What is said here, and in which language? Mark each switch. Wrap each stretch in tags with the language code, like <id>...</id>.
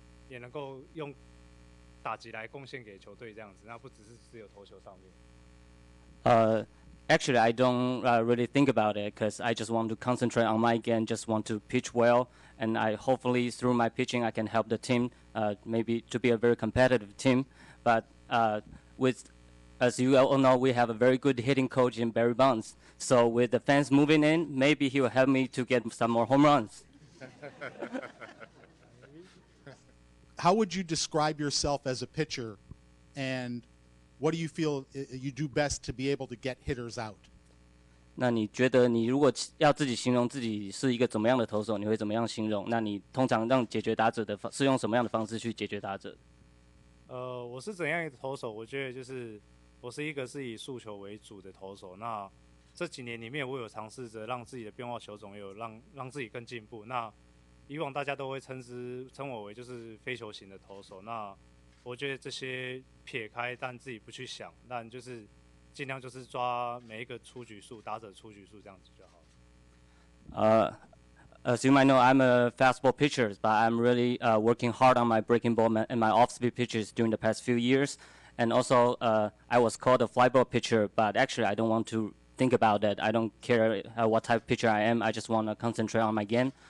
<zh>也能够用打击来贡献给球队这样子，那不只是只有投球上面。</zh> <en>Actually, I don't really think about it because I just want to concentrate on my game, just want to pitch well, and I hopefully through my pitching I can help the team, maybe to be a very competitive team. But with, as you all know, we have a very good hitting coach in Barry Bonds. So with the fans moving in, maybe he will help me to get some more home runs. How would you describe yourself as a pitcher, and what do you feel you do best to be able to get hitters out?</en> <zh>那你觉得你如果要自己形容自己是一个怎么样的投手，你会怎么样形容？那你通常让解决打者的是用什么样的方式去解决打者？我是怎样一个投手？我觉得就是我是一个是以速球为主的投手。那这几年里面，我有尝试着让自己的变化球种有让自己更进步。那以往大家都会称我为就是非球型的投手，那我觉得这些撇开，但自己不去想，但就是尽量就是抓每一个出局数，打者出局数这样子就好了。</zh> <en>As you might know, I'm a fastball pitcher, but I'm really working hard on my breaking ball and my off-speed pitches during the past few years. And also, I was called a flyball pitcher, but actually, I don't want to think about that. I don't care what type of pitcher I am. I just want to concentrate on my game.</en>